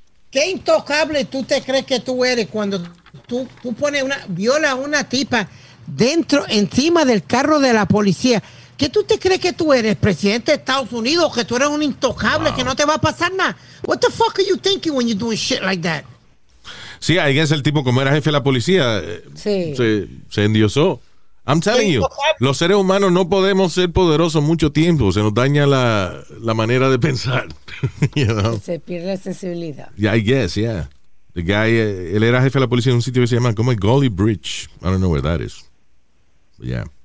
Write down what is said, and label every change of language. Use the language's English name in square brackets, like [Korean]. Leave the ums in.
[Spanish] Qué intocable tú te crees que tú eres cuando tú, tú pones una, viola a una tipa dentro, encima del carro de la policía. ¿Qué tú te crees que tú eres, presidente de Estados Unidos? Que tú eres un intocable, wow. que no te va a pasar nada. [English] What the fuck are you thinking when you're doing shit like that? [Spanish] Sí, ahí es el tipo, como era jefe de la policía, sí. se, se endiosó. [English] I'm telling you, [Spanish] los seres humanos no podemos ser poderosos mucho tiempo, se nos daña la, la manera de pensar. You know? Se pierde sensibilidad. [English] Yeah, I guess, yeah. [Spanish] El él era jefe de la policía en un sitio que se llama, como es Golly Bridge. [English] I don't know where that is. But yeah.